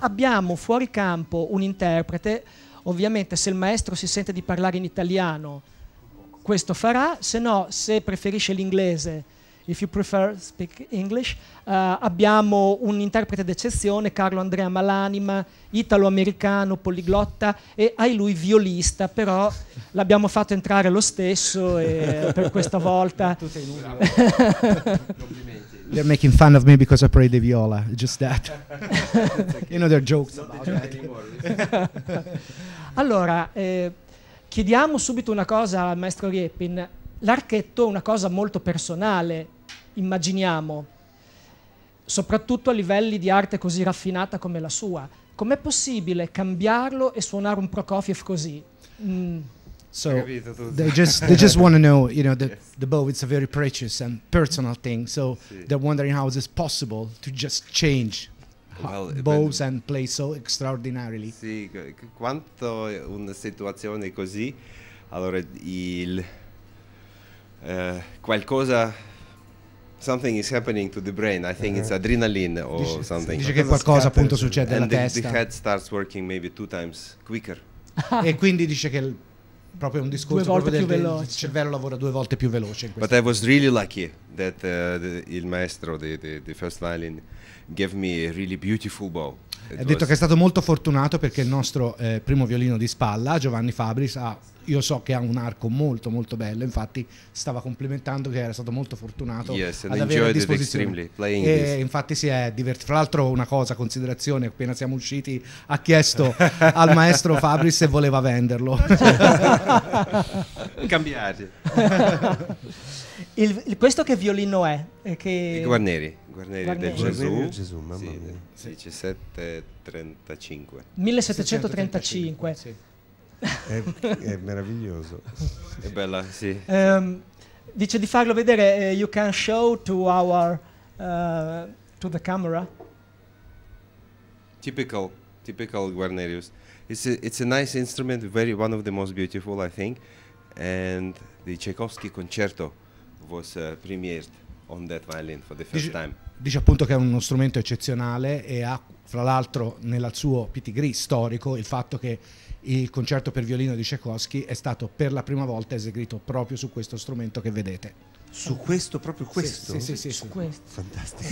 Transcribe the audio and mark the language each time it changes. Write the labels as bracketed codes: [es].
[it] Abbiamo fuori campo un interprete, ovviamente se il maestro si sente di parlare in italiano, questo farà, se no, se preferisce l'inglese, [en] if you prefer speak English, [it] abbiamo un interprete d'eccezione, Carlo Andrea Malanima, italo-americano, poliglotta e ai lui violista, però l'abbiamo fatto entrare lo stesso e per questa volta... [en] They're making fun of me because I play the viola, just that. You know, they're jokes about that. [it] Allora, chiediamo subito una cosa al maestro Riepin. L'archetto è una cosa molto personale, immaginiamo, soprattutto a livelli di arte così raffinata come la sua. Com'è possibile cambiarlo e suonare un Prokofiev così? [en] So they just want to know, you know, that the bow is a very precious and personal thing, so they're wondering how is possible to just change bows and play so extraordinarily. [it] Sì, quanto una situazione così, allora il qualcosa. [en] Something is happening to the brain. I think it's adrenaline or [it] dice, [en] something. [it] Dice che qualcosa appunto succede nella testa. [en] And the head starts working maybe two times quicker. [it] E quindi dice che proprio un discorso due volte proprio più veloce. Il cervello lavora due volte più veloce. In [en] but I was really lucky that [it] il maestro [en] the first violin gave me a really beautiful bow. [it] Ha detto che è stato molto fortunato perché il nostro primo violino di spalla, Giovanni Fabris, ha, io so che ha un arco molto molto bello, infatti stava complimentando che era stato molto fortunato ad avere a disposizione. E infatti si è divertito. Fra l'altro una cosa, considerazione, appena siamo usciti ha chiesto al maestro Fabris se voleva venderlo. Cambiare. Questo che violino è? Che... Guarneri del Gesù. Gesù, mamma mia. Sì. 1735. 1735. È meraviglioso. È bella, sì. Dice di farlo vedere. [en] You can show to our to the camera. Typical Guarnerius. It's a nice instrument, very one of the most beautiful, I think. And the Tchaikovsky concerto was premiered on that violin for the first time. [it] Dice appunto che è uno strumento eccezionale e ha, fra l'altro, nel suo pedigree storico il fatto che il concerto per violino di Tchaikovsky è stato per la prima volta eseguito proprio su questo strumento che vedete. Su questo, proprio questo? Sì. Su questo. Fantastico.